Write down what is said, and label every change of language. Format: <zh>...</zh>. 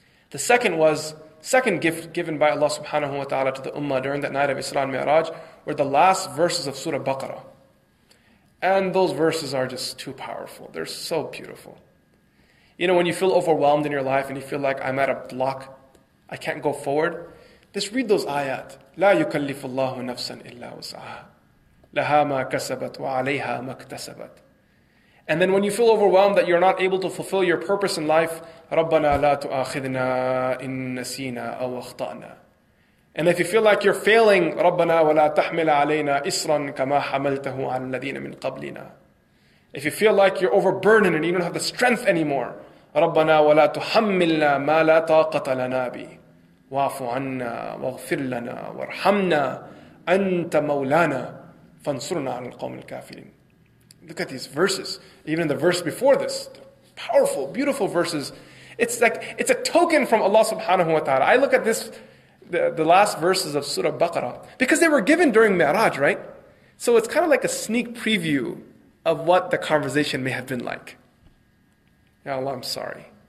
<en>The second gift given by Allah subhanahu wa ta'ala to the ummah during that night of Isra and Mi'raj were the last verses of Surah Baqarah. And those verses are just too powerful. They're so beautiful. You know, when you feel overwhelmed in your life and you feel like I'm at a block, I can't go forward, just read those ayat.</en> <ar>لا يكلف الله نفسا إلا وسعها لها ما كسبت وعليها ما اكتسبت.</ar> <en>And then when you feel overwhelmed that you're not able to fulfill your purpose in life,</en> <ar>ربنا لا تؤاخذنا إن نسينا أو أخطأنا.</ar> <en>And if you feel like you're failing,</en> <ar>ربنا ولا تحمل علينا إسرا كما حملته على الذين من قبلنا.</ar> <en>If you feel like you're overburdened and you don't have the strength anymore,</en> <ar>ربنا ولا تحملنا ما لا طاقة لنا به واعف عنا واغفر لنا وارحمنا أنت مولانا فانصرنا على القوم الكافرين.</ar> <en>Look at these verses. Even the verse before this, powerful, beautiful verses. It's like it's a token from Allah subhanahu wa ta'ala. I look at this, the last verses of Surah Baqarah, because they were given during Mi'raj, right? So it's kind of like a sneak preview of what the conversation may have been like. Ya Allah, I'm sorry.</en>